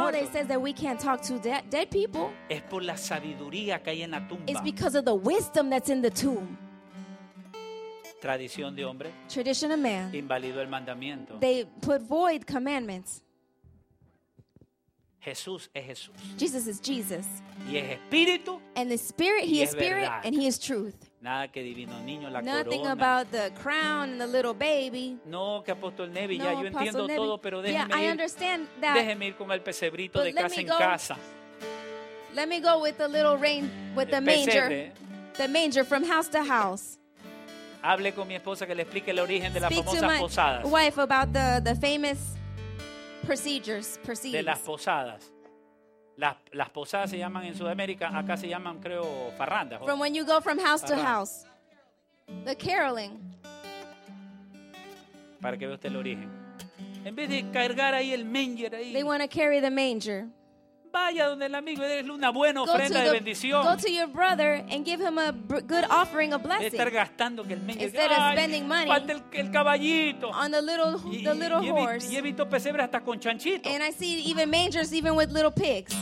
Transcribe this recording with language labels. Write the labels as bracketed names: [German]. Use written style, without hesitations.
[Spanish] muertos. [English] They says that we can't talk to dead people. [Spanish] Es por la sabiduría que hay en la tumba. [English] It's because of the wisdom that's in the tomb. [Spanish] Tradición de hombre. [English] Tradition of man. [Spanish] Invalidó el mandamiento. [English] They put void commandments. [Spanish] Jesús es Jesús. [English] Jesus is Jesus. [Spanish] Y es espíritu. [English] And the spirit, he is spirit, [Spanish] verdad. [English] And he is truth. [Spanish] Nada que divino niño, la [English] Nothing [Spanish] corona. [English] Nothing about the crown and the little baby. [Spanish] No, que apóstol Nevi, no, ya yo apóstol entiendo Nevi. Todo, pero déjeme [English] yeah, [Spanish] ir. [English] I understand that. [Spanish] Déjeme ir con el pesebrito de casa en casa. [English] Let me go with the little rain, with [Spanish] el [English] the manger. [Spanish] Pesebre. [English] The manger from house to house. [Spanish] Hable con mi esposa que le explique el origen de las [English] Speak [Spanish] famosas posadas. [English] Speak to my wife about the famous procedures, [Spanish] De las posadas. Las posadas se llaman en Sudamérica, acá se llaman creo farrandas. [English] From when you go from house farrandas. To house. The caroling. [Spanish] Para que vea usted el origen. En vez de cargar ahí el [English] manger [Spanish] ahí. [English] They want to carry the manger. [Spanish] Vaya donde el amigo, déle una buena ofrenda de bendición. [English] Go to your brother and give him a good offering, a blessing. [Spanish] De estar gastando que el medio. [English] Instead of spending money. [Spanish] Falta el caballito. [English] On the little horse. [Spanish] Y he visto pesebres hasta con chanchitos. [English] And I see even mangers even with little pigs.